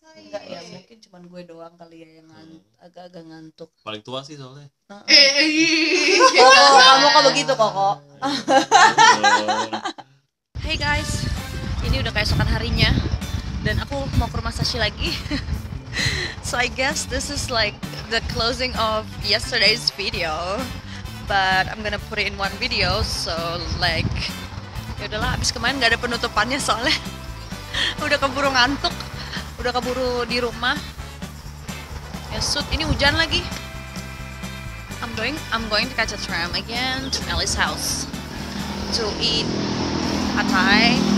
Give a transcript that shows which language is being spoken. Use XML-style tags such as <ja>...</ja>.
<id>Nggak ya, mungkin cuma gue doang kali ya yang agak-agak ngantuk. Paling tua sih soalnya. Koko, kamu kok begitu Koko? Hey guys, ini udah keesokan harinya dan aku mau ke rumah Sashi lagi.</id> <en>So I guess this is like the closing of yesterday's video, but I'm gonna put it in one video.</en> <id>So like, yaudahlah, abis kemarin gak ada penutupannya soalnya udah keburu ngantuk, udah keburu di rumah. Ya sud, ini hujan lagi.</id> <en>I'm going to catch a tram again to Ellie's house to eat a Thai</en>